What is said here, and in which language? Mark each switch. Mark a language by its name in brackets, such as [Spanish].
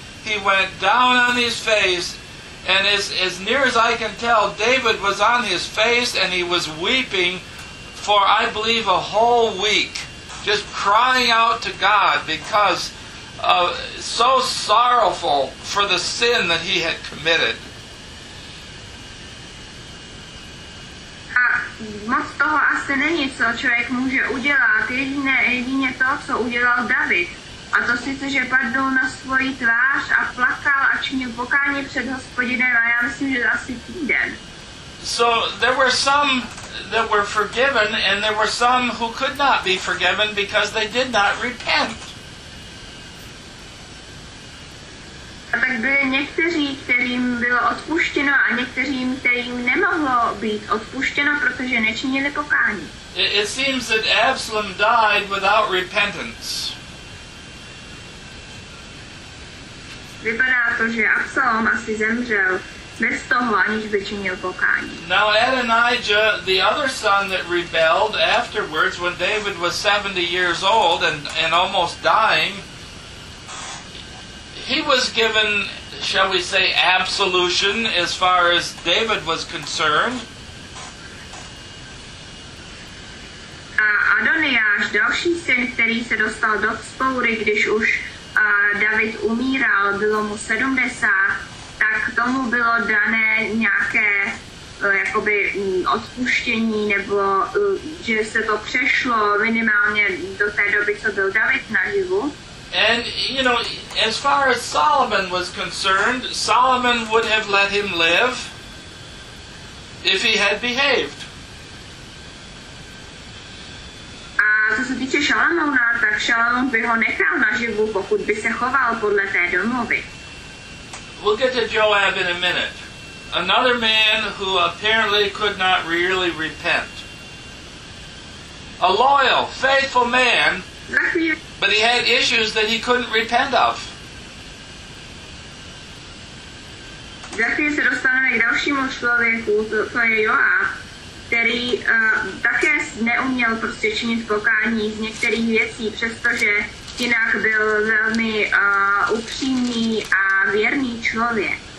[English] He went down on his face, and as near as I can tell, David was on his face and he was weeping for, I believe, a whole week. Just crying out to God because so sorrowful for the sin that he had committed. [Czech] A moc toho asi není, co člověk může udělat. Jedině to, co udělal David. A to sice, že padnul na svoji tvář a plakal a činil pokání před Hospodinem, a já myslím, že asi týden. [English] So there were some that were forgiven, and there were some who could not be forgiven because they did not repent. [Czech] A tak byli někteří, kterým bylo odpuštěno, a některým, kterým nemohlo být odpuštěno, protože nečinili pokání. [English] It seems that Absalom died without repentance. [Czech] Vypadá to, že Absalom asi zemřel bez toho, aniž by činil pokání. [English] Now Adonijah, the other son that rebelled afterwards, when David was 70 years old and almost dying, he was given, shall we say, absolution as far as David was concerned. [Czech] A Adonijah, další syn, který se dostal do vzpoury, když už David umíral, bylo mu 70, tak tomu bylo dané nějaké jakoby odpuštění, nebo že se to přešlo minimálně do té doby, co byl David naživu. [English] And, you know, as far as Solomon was concerned, Solomon would have let him live if he had behaved. [Czech] A co se týče Šalamouna, tak Šalamoun by ho nechal naživu, pokud by se choval podle té domluvy. [English] We'll get to Joab in a minute. Another man who apparently could not really repent. A loyal, faithful man, but he had issues that he couldn't repent of. [Czech] Za chvíli se dostaneme k dalšímu člověku, to je Joab, který také neuměl prostě činit pokání z některých věcí, přestože jinak byl velmi upřímný a věrný člověk.